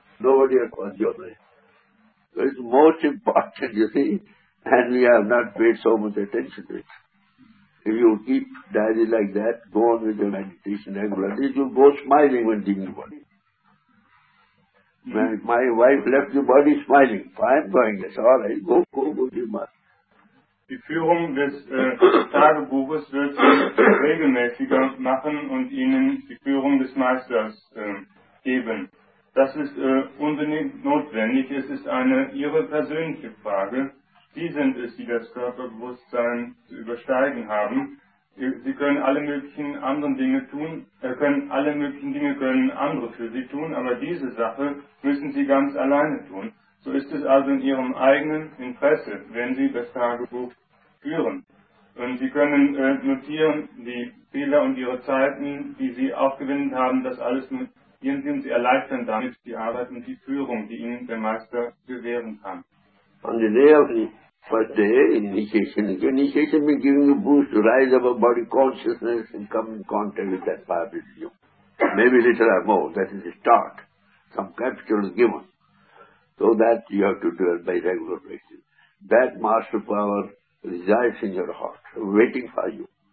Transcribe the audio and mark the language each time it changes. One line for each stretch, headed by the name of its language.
English: Nobody else wants your way. So it's most important, you see, and we have not paid so much attention to it. If you keep diary like that, go on with your meditation regularly, you go smiling when leaving the body. Mm-hmm. My wife left the body smiling. I'm going, yes, all right, go, you must.
German: Die Führung des Tagebuches wird Sie regelmäßiger machen und Ihnen die Führung des Meisters geben. Das ist unbedingt notwendig. Es ist eine Ihre persönliche Frage. Sie sind es, die das Körperbewusstsein zu übersteigen haben. Sie können alle möglichen anderen Dinge tun, können andere für Sie tun, aber diese Sache müssen Sie ganz alleine tun. So ist es also in Ihrem eigenen Interesse, wenn Sie das Tagebuch führen. Und Sie können notieren die Fehler und Ihre Zeiten, die Sie aufgewendet haben, das alles notieren. Sie erleichtern damit die Arbeit und die Führung, die Ihnen der Meister gewähren kann.
English: On the day of the first day, initiation will give you a boost to rise above body consciousness and come in contact with that power within you. Maybe a little or more, that is the start. Some capital is given. So that you have to do it by regular basis. That master power resides in your heart, waiting for you.